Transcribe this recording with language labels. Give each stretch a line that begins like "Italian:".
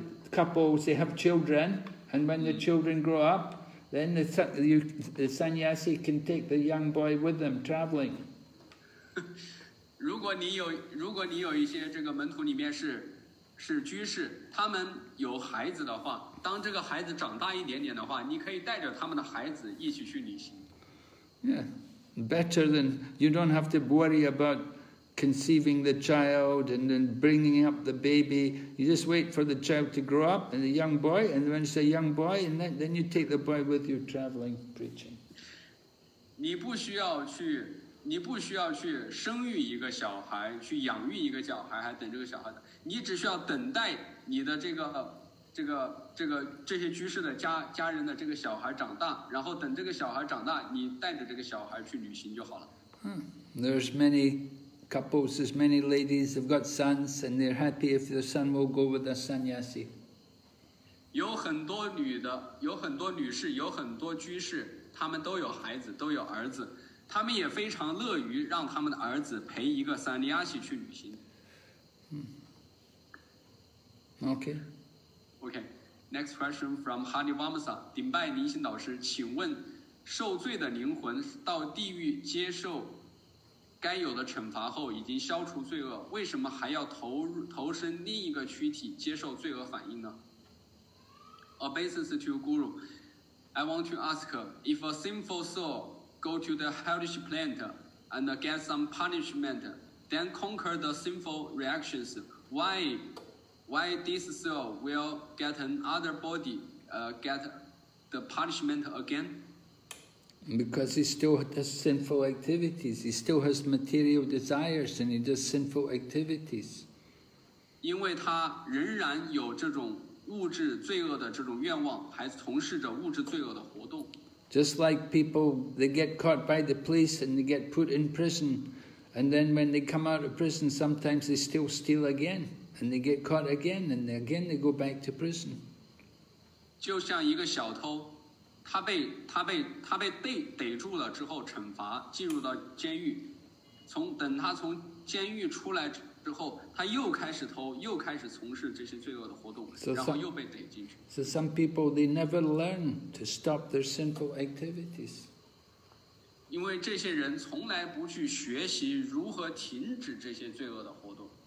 English: Couples, they have children, and when the children grow up, then the sannyasi can take the young boy with them traveling.
Chinese: 如果你有一些这个门徒里面是居士，他们有孩子的话，当这个孩子长大一点点的话，你可以带着他们的孩子一起去旅行。
English: Yeah, better than you don't have to worry about conceiving the child and then bringing up the baby. You just wait for the child to grow up and the young boy, and when it's a young boy, and then you take the boy with you traveling preaching.
Chinese: 你不需要去生育一个小孩，去养育一个小孩，还等这个小孩的。你只需要等待你的这些居士的家人的这个小孩长大，然后等这个小孩长大，你带着这个小孩去旅行就好了。
English: There's many couples, there's many ladies have got sons, and they're happy if their son will go with a sannyasi.
Chinese: 有很多女士，有很多居士，他们都有孩子，都有儿子。他们也非常乐于让他们的儿子陪一个三尼亚西去旅行。
English: Okay. Next question from Hani Vamsa.
Chinese: 顶拜灵性导师，请问受罪的灵魂到地狱接受该有的惩罚后，已经消除罪恶，为什么还要投身另一个躯体接受罪恶反应呢 ？
English: Obeisance to Guru. I want to ask if a sinful soul. Go to the hellish planet and get some punishment, then conquer the sinful reactions. Why this soul will get another body, get the punishment again? Because he still does sinful activities. He still has material desires and he does sinful activities.
Chinese: 因为他仍然有这种物质罪恶的这种愿望，还从事着物质罪恶的活动。
English: Just like people, they get caught by the police and they get put in prison. And then when they come out of prison, sometimes they still steal again. And they get caught again, and again they go back to prison.
Chinese: 就像一个小偷，他被逮住了之后惩罚，进入到监狱，等他从监狱出来之后，他又开始偷，又开始从事这些罪恶的活动，然后又被逮进去。
English: So some people they never learn to stop their sinful activities.
Chinese: 因为这些人从来不去学习如何停止这些罪恶的活动。